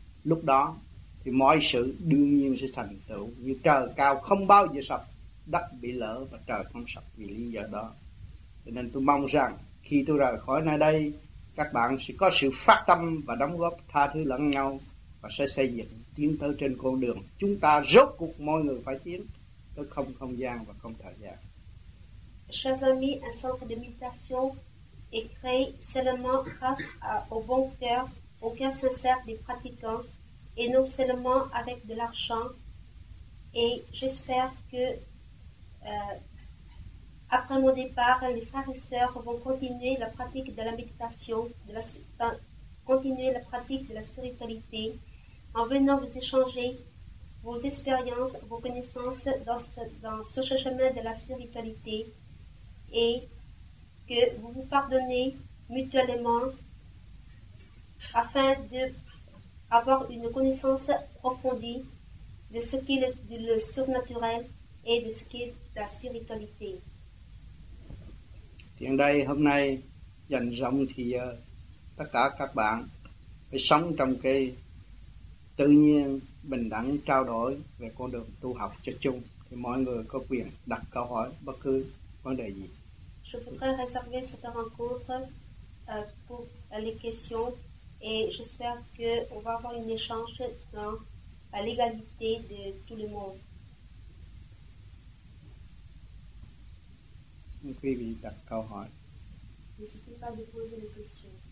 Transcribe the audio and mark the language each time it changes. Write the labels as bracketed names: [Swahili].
[Vietnamese] Lúc đó thì mọi sự đương nhiên sẽ thành tựu, như trời cao không bao giờ sập, đất bị lỡ và trời không sập vì lý do đó. Cho nên tôi mong rằng khi tôi rời khỏi nơi đây, các bạn sẽ có sự phát tâm và đóng góp tha thứ lẫn nhau, và sẽ xây dựng tiến bộ. tiến tới trên con đường chúng ta rốt cuộc mọi người phải tiến tới không không gian và không thời gian. [French] Chers amis, un centre de méditation est créé seulement grâce au bon cœur, au cœur sincère des pratiquants et non seulement avec de l'argent. Et j'espère que après mon départ, les frères et sœurs vont continuer la pratique de la méditation, continuer la pratique de la spiritualité en venant vous échanger vos expériences, vos connaissances dans ce chemin de la spiritualité. Et que vous vous pardonnez mutuellement afin d'avoir une connaissance approfondie de ce qu'est le surnaturel et de ce qu'est la spiritualité. [Vietnamese] Tiếng đây hôm nay dành rộng thì tất cả các bạn phải sống trong cái tự nhiên bình đẳng trao đổi về con đường tu học cho chung, thì mọi người có quyền đặt câu hỏi bất cứ vấn đề gì. [French] Je voudrais réserver cette rencontre pour les questions et j'espère qu'on va avoir un échange dans l'égalité de tout le monde. N'hésitez pas à poser les questions.